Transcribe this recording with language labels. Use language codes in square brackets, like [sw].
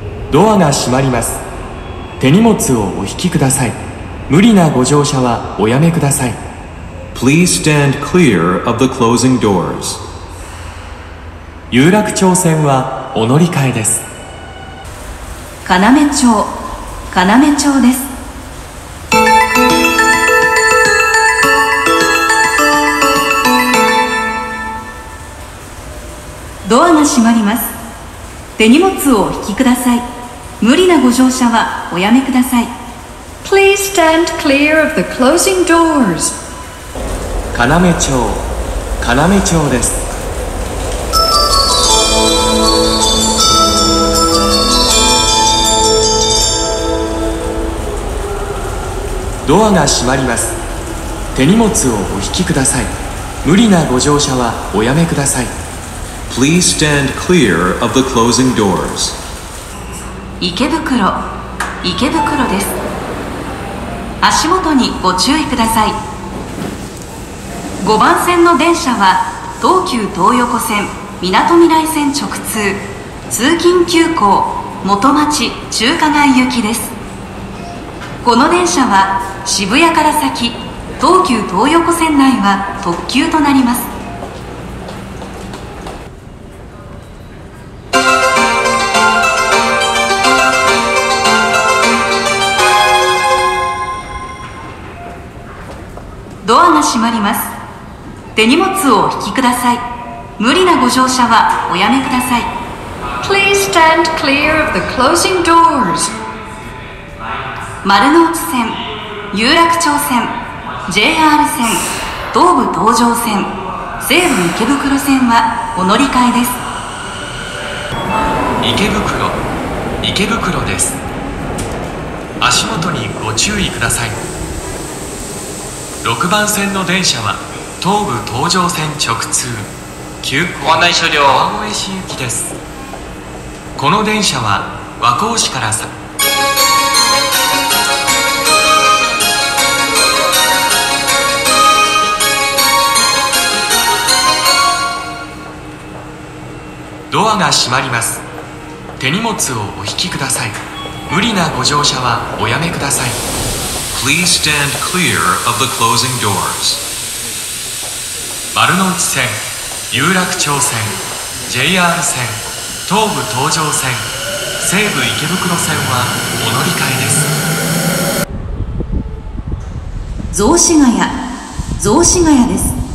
[ja] ドアが閉まります。手荷物をお引きください。無理なご乗車はおやめください。 [en] Please stand clear of the closing doors. [ja] 有楽町線はお乗り換えです。要町、要町です。ドアが閉まります。手荷物をお引きください。無理なご乗車はおやめください。 [en] Please stand clear of the closing doors. [ja] 要町、要町です。ドアが閉まります。手荷物をお引きください。無理なご乗車はおやめください。 [en] Please stand clear of the closing doors. [ja] 池袋、池袋です。足元にご注意ください。5番線の電車は東急東横線みなとみらい線直通、通勤急行元町中華街行きです。この電車は渋谷から先、東急東横線内は特急となります。ドアが閉まります。手荷物をお引きください。無理なご乗車はおやめください。 [en] Please stand clear of the closing doors. [ja] 丸の内線、有楽町線、 JR 線、東武東上線、西武池袋線はお乗り換えです。池袋、池袋です。足元にご注意ください。6番線の電車は東武東上線直通急行ご案内車両川越市行きです。この電車は和光市からさ ドアが閉まります。手荷物をお引きください。無理なご乗車はおやめください。 [en] Please stand clear of the closing doors. [ja] 丸の内線、有楽町線、JR 線、東武東上線、西武池袋線はお乗り換えです。雑司ヶ谷です。